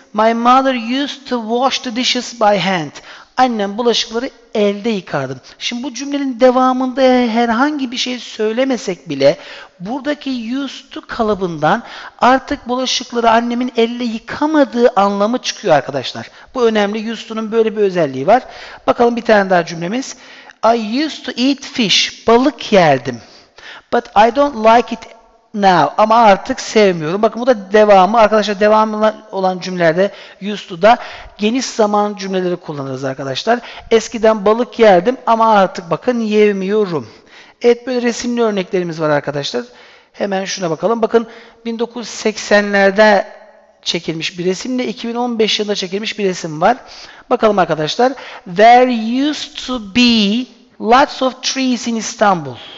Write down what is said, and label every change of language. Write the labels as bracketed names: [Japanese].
[English] My mother used to wash the dishes by hand. [Turkish] Annem bulaşıkları elde yıkardım. Şimdi bu cümlenin devamında herhangi bir şey söylemesek bile buradaki used to kalıbından artık bulaşıkları annemin elle yıkamadığı anlamı çıkıyor arkadaşlar. Bu önemli. Used to'nun böyle bir özelliği var. Bakalım bir tane daha cümlemiz. [English] I used to eat fish. [Turkish] Balık yerdim. [English] But I don't like it now. [Turkish] Ama artık sevmiyorum. Bakın bu da devamı. Arkadaşlar devamı olan cümlelerde used to'da geniş zaman cümleleri kullanırız arkadaşlar. Eskiden balık yerdim ama artık bakın yemiyorum. Evet böyle resimli örneklerimiz var arkadaşlar. Hemen şuna bakalım. Bakın 1980'lerde çekilmiş bir resimle 2015 yılında çekilmiş bir resim var. Bakalım arkadaşlar. [English] There used to be lots of trees in Istanbul.